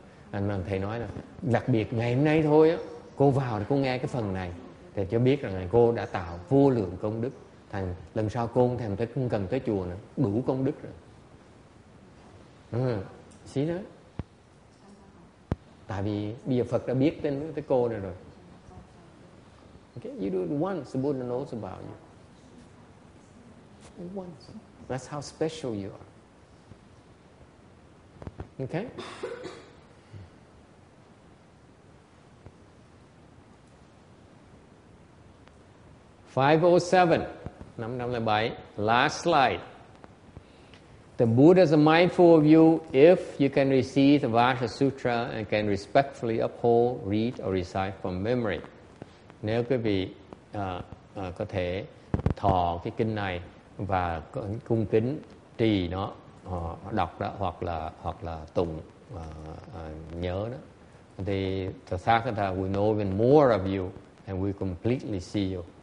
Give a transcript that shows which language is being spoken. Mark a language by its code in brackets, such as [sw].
[vi] Anh thầy nói là, đặc biệt ngày hôm nay thôi á, cô vào thì cô nghe cái phần này để cho biết rằng cô đã tạo vô lượng công đức. Thành lần sau cô không thèm tới, không cần tới chùa nữa, đủ công đức rồi. Xí nữa. Tại vì bây giờ Phật đã biết tới cô này rồi. [en] Okay, you do it once, the Buddha knows about you. Once. That's how special you are. Okay? Five oh seven, 507, last slide. The Buddha is mindful of you if you can receive the Vajra Sutra and can respectfully uphold, read or recite from memory. [vi] Nếu quý vị có thể thọ cái kinh này và cung kính trì nó, đọc đó hoặc là tụng nhớ đó, thì [en] the Tathagata will know even more of you and will completely see you.